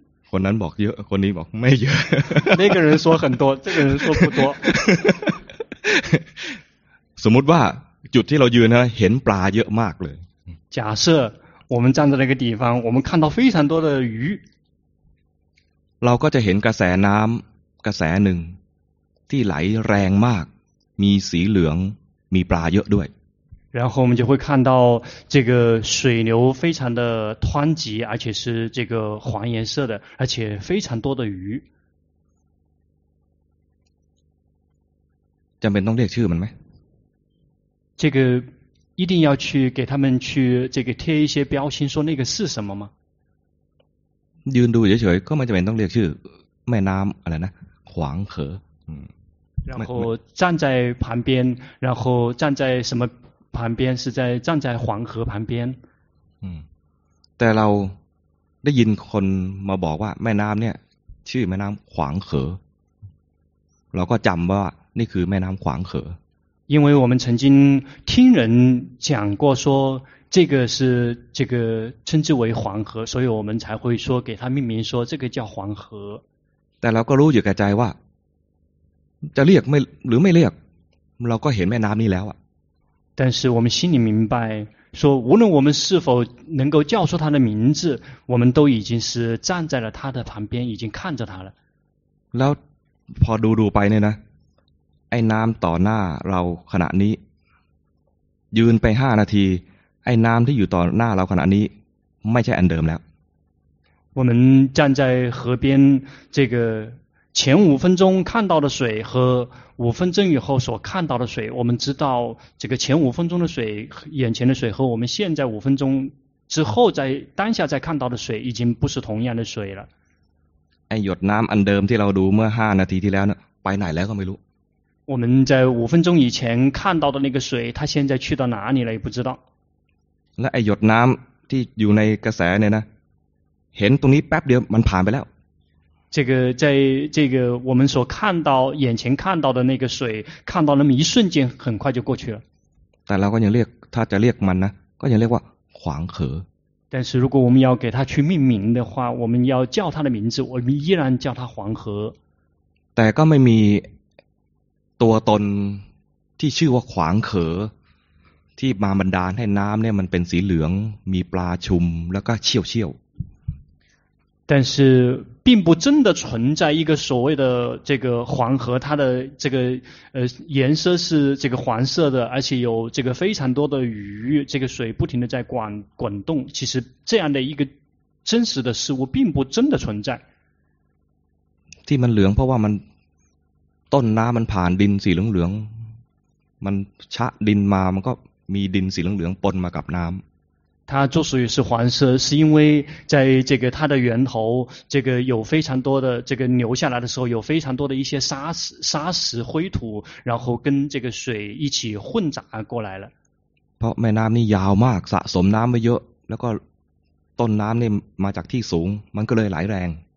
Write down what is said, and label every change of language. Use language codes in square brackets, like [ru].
[th] คนนั้นบอกเยอะคนนี้บอกไม่เยอะ [zh] 那个人说很多这个人说不多 [th] สมมติว่าจุดที่เรายืนนะเห็นปลาเยอะมากเลย [zh] 假设我们站在那个地方我们看到非常多的鱼 [th] เราก็จะเห็นกระแสน้ำกระแสหนึ่งที่ไหลแรงมากมีสีเหลืองมีปลาเยอะด้วย [zh] 然后我们就会看到这个水流非常的湍急而且是这个黄颜色的而且非常多的鱼 [th] จำเป็นต้องเรียกชื่อมันไหม [zh] 这个一定要去给他们去这个贴一些标签说那个是什么吗 [th] ยืนดูเฉยๆก็ไม่จำเป็นต้องเรียกชื่อแม่น้ำอะไรนะขวางเขอ [zh] 然后站在旁边然后站在什么旁边是在站在黄河旁边 [th] แต่เราได้ยินคนมาบอกว่าแม่น้ำเนี่ยชื่อแม่น้ำขวางเขอเราก็จำว่านี่คือแม่น้ำขวางเข [zh] อ因为我们曾经听人讲过说这个是这个称之为黄河所以我们才会说给它命名说这个叫黄河 [th] แต่เราก็รู้อยู่กับใจว่าจะเรียกไม่หรือไม่เรียกเราก็เห็นแม่น้ำนี้แล้วอ่ะ [zh] 但是我们心里明白说无论我们是否能够叫出它的名字我们都已经是站在了它的旁边已经看着它了 [th] แล้วพอดูไปเนี่ยนะไอ้น้ำต่อหน้าเราขณะนี้ยืนไป5นาทีไอ้น้ำที่อยู่ต่อหน้าเราขณะนี้ไม่ใช่อันเดิมแล้ว [zh] 我们站在河边这个前五分钟看到的水和五分钟以后所看到的水我们知道这个前五分钟的水眼前的水和我们现在五分钟之后在当下再看到的水已经不是同样的水了 [th] ไอ้หยดน้ำอันเดิมที่เราดูเมื่อ5นาทีที่แล้วนะไปไหนแล้วก็ไม่รู้ [zh] 我们在五分钟以前看到的那个水它现在去到哪里了也不知道 [th] และไอ้หยดน้ำที่อยู่ในกระแสเนี่ยนะเห็นตรงนี้แป๊บเดียวมันผ่านไปแล้ว [zh] 这个在这个我们所看到眼前看到的那个水看到那么一瞬间很快就过去了 [th] แต่เราก็ยังเรียกถ้าจะเรียกมันนะก็ยังเรียกว่าขวางเข [zh] อ但是如果我们要给它去命名的话我们要叫它的名字我们依然叫它黄河 [th] แต่ก็ไม่มีตัวตนที่ชื่อว่าขวางเขอที่มาบันดาลให้น้ำเนี่ยมันเป็นสีเหลืองมีปลาชุมแล้วก็เชี่ยว [zh] 但是并不真的存在一个所谓的这个黄河，它的这个颜色是这个黄色的，而且有这个非常多的鱼，这个水不停的在滚动，其实这样的一个真实的事物并不真的存在。 [th] ที่มันเหลืองเพราะว่ามันต้นน้ำมันผ่านดินสีเหลืองๆมันชะดินมามันก็มีดินสีเหลืองๆปนมากับน้ำ [zh] 它之所以是黄色，是因为在这个它的源头，这个有非常多的这个流下来的时候，有非常多的一些沙石灰土，然后跟这个水一起混杂过来了。 [th] เพราะแม่น้ำนี่ยาวมากสะสมน้ำไว้เยอะแล้วก็ต้นน้ำนี่มาจากที่สูงมันก็เลยไหลแรง